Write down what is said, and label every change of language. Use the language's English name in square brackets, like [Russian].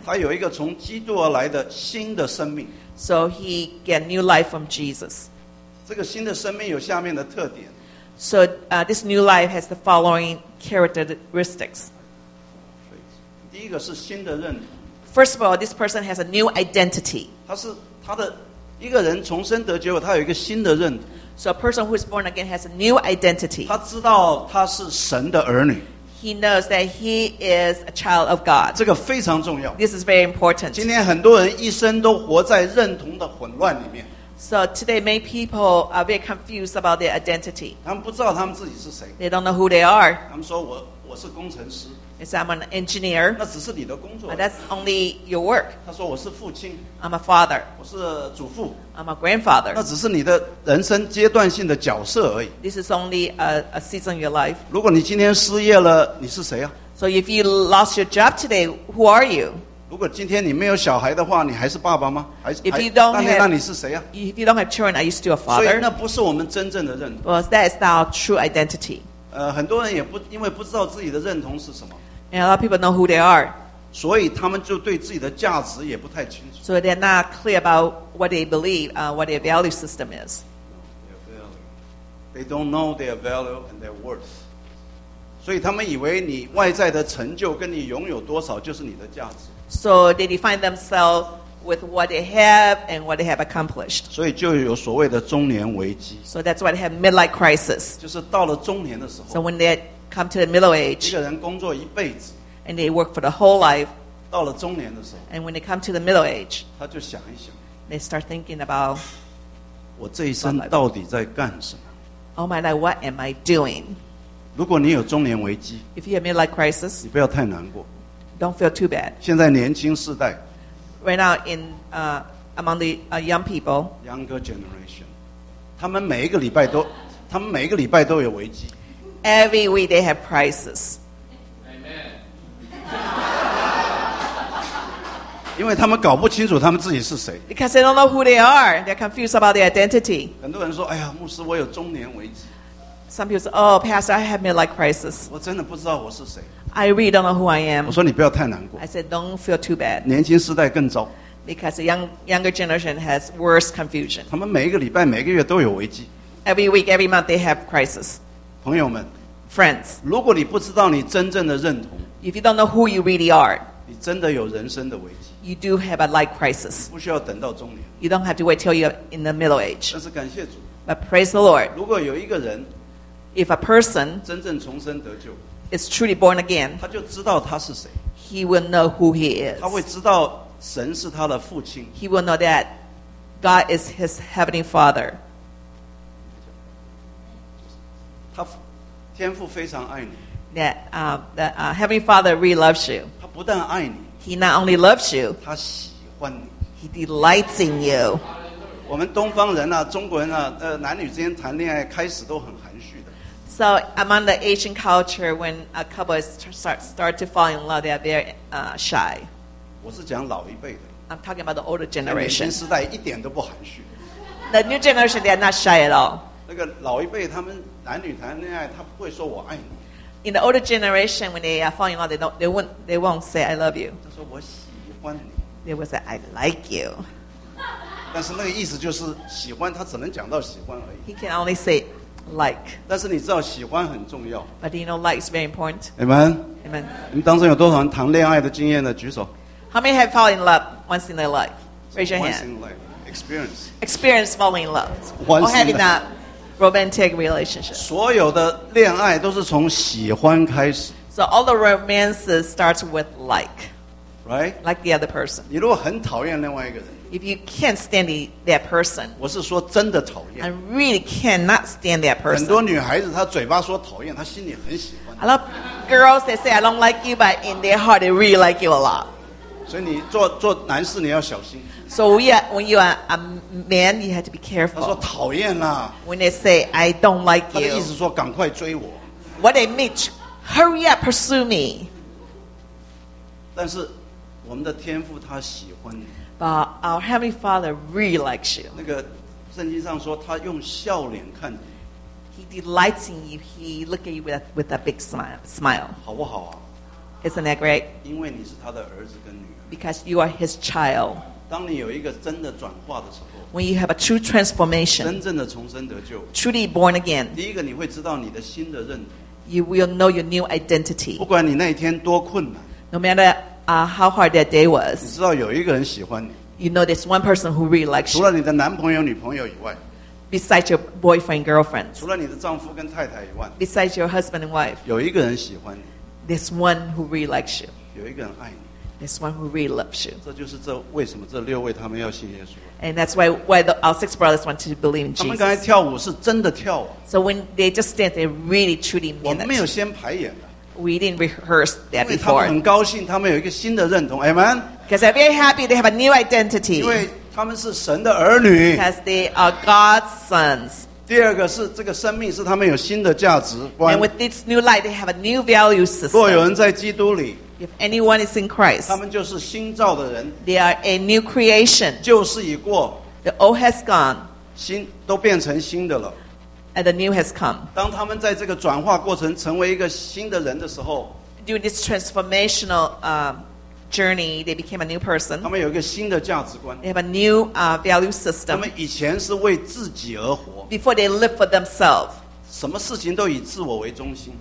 [Chinese] 他有一个从基督而来的新的生命。 [English] So he get new life from Jesus. [Chinese] 这个新的生命有下面的特点。 [English] So this new life has the following characteristics. [Chinese] 第一个是新的认同。 [English] First of all, this person has a new identity. [Chinese] 他是他的一个人重生得救，他有一个新的认同。 [English] So a person who is born again has a new identity. [Chinese] 他知道他是神的儿女。 [English] He knows that he is a child of God. [Chinese] 这个非常重要。 [English] This is very important. [Chinese] 今天很多人一生都活在认同的混乱里面。 [English] So today many people are very confused about their identity. [Chinese] 他们不知道他们自己是谁。 [English] They don't know who they are. [Chinese] 他们说我是工程师。 [English] They say I'm an engineer. [Chinese] 那只是你的工作。 [English] But that's only your work. [Chinese] 他说我是父亲。 [English] I'm a father. [Chinese] 我是祖父。 [English] I'm a grandfather. [Chinese] 那只是你的人生阶段性的角色而已。 [English] This is only a season in your life. [Chinese] 如果你今天失业了，你是谁啊？ [English] So if you lost your job today, who are you? [Chinese] 如果今天你没有小孩的话，你还是爸爸吗？还是 [English] if you don't [Chinese] 当年那你是谁啊？ [English] If you don't have children, are you still a father? [Chinese] 所以那不是我们真正的认同。 [English] Well, that is not our true identity. [Chinese] 很多人也不因为不知道自己的认同是什么。 [English] And a lot of people know who they are. [Chinese] 所以他们就对自己的价值也不太清楚。 [English] So they're not clear about what they believe, what their value system is. They don't know their value and their worth. [Chinese] 所以他们以为你外在的成就跟你拥有多少就是你的价值。 [English] So they define themselves with what they have and what they have accomplished. [Chinese] 所以就有所谓的中年危机。 [English] So that's why they have midlife crisis. [Chinese] 就是到了中年的时候。 [English] So when they come to the middle age, [Chinese] 一个人工作一辈子, [English] and they work for the whole life, [Chinese] 到了中年的时候, [English] and when they come to the middle age, [Chinese] 他就想一想, [English] they start thinking about, [Chinese] 我这一生到底在干什么? [English] Oh my life, what am I doing? [Chinese] 如果你有中年危机, [English] if you have midlife crisis, [Chinese] 你不要太难过, [English] don't feel too bad. [Chinese] 现在年轻世代, [English] right now in, among the young people, younger generation, [Chinese] 他们每一个礼拜都, 他们每一个礼拜都有危机。 [English] Every week they have crisis. Amen. [Chinese] 因为他们搞不清楚他们自己是谁。 [English] Because they don't know who they are. They're confused about their identity. [Chinese] 很多人说，哎呀，牧师，我有中年危机。 [English] Some people say, oh, pastor, I have midlife crisis. [Chinese] 我真的不知道我是谁。 [English] I really don't know who I am. [Chinese] 我说你不要太难过。 [English] I said, don't feel too bad. [Chinese] 年轻世代更糟。 [English] Because the younger generation has worse confusion. [Chinese] 他们每一个礼拜、每个月都有危机。 [English] Every week, every month, they have crisis. [Chinese] 朋友们 [English] ，friends， [Chinese] 如果你不知道你真正的认同 [English] ，if you don't know who you really are， [Chinese] 你真的有人生的危机 [English] ，you do have a life crisis， [Chinese] 不需要等到中年 [English] ，you don't have to wait till you're in the middle age。 [Chinese] 但是感谢主 [English] ，but praise the Lord。 [Chinese] 如果有一个人 [English] ，if a person [Chinese] 真正重生得救 [English] ，is truly born again， [Chinese] 他就知道他是谁 [English] ，he will know who he is。 [Chinese] 他会知道神是他的父亲 [English] ，he will know that God is his heavenly father。 [Chinese] 天父非常爱你。 [English] That Heavenly Father really loves you. [Chinese] 他不但爱你。 [English] He not only loves you. [Chinese] 他喜欢你。 [English] He delights in you. [Chinese] 我们东方人啊，中国人啊，男女之间谈恋爱开始都很含蓄的。 [English] So among the Asian culture, when a couple is start to fall in love, they are very shy. [Chinese] 我是讲老一辈的。 [English] I'm talking about the older generation. [Chinese] 年轻世代一点都不含蓄。 [English] The new generation, they are not shy at all. [Chinese] 那个老一辈他们男女谈恋爱，他不会说我爱你。 [English] In the older generation, when they are falling in love, they won't say I love you. [Chinese] 他说我喜欢你。 [English] They will say I like you. [Chinese] 但是那个意思就是喜欢，他只能讲到喜欢而已。 [English] He can only say like. [Chinese] 但是你知道喜欢很重要。 [English] But you know like is very important. Amen. Amen. [Chinese] 你们当中有多少人谈恋爱的经验呢？举手。 [English] How many have fallen in love once in their life? Raise your hand. Once in life, experience. Experience falling in love. Once or have you not? Romantic relationship. [Chinese] 所有的恋爱都是从喜欢开始。 [English] So all the romances starts with like. Right? Like the other person. [Chinese] 你如果很讨厌另外一个人。 [English] If you can't stand that person. [Chinese] 我是说真的讨厌。 [English] I really cannot stand that person. [Chinese] 很多女孩子她嘴巴说讨厌，她心里很喜欢。 [English] A lot of girls, they say I don't like you, but in their heart, they really like you a lot. [Chinese] 所以你做男士你要小心。 [English] So when you are a man, you have to be careful. [Chinese] 他说讨厌啦。 [English] When they say I don't like you, [Chinese] 他的意思说赶快追我。 [English] What they mean, hurry up, pursue me. [Chinese] 但是我们的天父他喜欢你。 [English] But our Heavenly Father really likes you. [Chinese] 那个圣经上说他用笑脸看你。 [English] He delights in you. He looks at you with a big smile. [Chinese] 好不好啊？ [English] Isn't that great? [Chinese] 因为你是他的儿子跟女儿。 [English] Because you are his child. [Chinese] 当你有一个真的转化的时候， [English] When you have a true transformation, [Chinese] 真正的重生得救， [English] truly born again, [Chinese] 第一个你会知道你的新的认同。 [English] You will know your new identity. [Chinese] 不管你那一天多困难， [English] No matter、how hard that day was, [Chinese] 你知道有一个人喜欢你。 [English] You know there's one person who really likes you. [Chinese] 除了你的男朋友、女朋友以外， [English] Besides your boyfriend, girlfriend, [Chinese] 除了你的丈夫跟太太以外， [English] Besides your husband and wife, [Chinese] 有一个人喜欢你。 [English] There's one who really likes you. [Chinese] 有一个人爱你。 [English] There's one who really loves you. [Chinese] 这就是这为什么这六位他们要信耶稣。 [English] And that's why the, our six brothers want to believe in Jesus. [Chinese] 他们刚才跳舞是真的跳舞。 [English] So when they just dance, they really truly mean it. [Chinese] 我们没有先排演的。 [English] We didn't rehearse that before. [Chinese] 因为他们很高兴，他们有一个新的认同。 [English] Amen. Because they're very happy, they have a new identity. [Chinese] 因为他们是神的儿女。 [English] Because they are God's sons. [Chinese] 第二个是这个生命是他们有新的价值观。 [English] And with this new life, they have a new value system. [Chinese] 若有人在基督里。 [English] If anyone is in Christ, [Chinese] 他们就是新造的人。 [English] They are a new creation. [Chinese] 旧事已过。 [English] The old has gone. [Chinese] 新都变成新的了。 [English] And the new has come. [Chinese] 当他们在这个转化过程成为一个新的人的时候， [English] During this transformational journey, they became a new person. [Chinese] 他们有一个新的价值观。 [English] They have a new value system. [Chinese] 他们以前是为自己而活。 [English] Before they live for themselves. [Chinese] 什么事情都以自我为中心。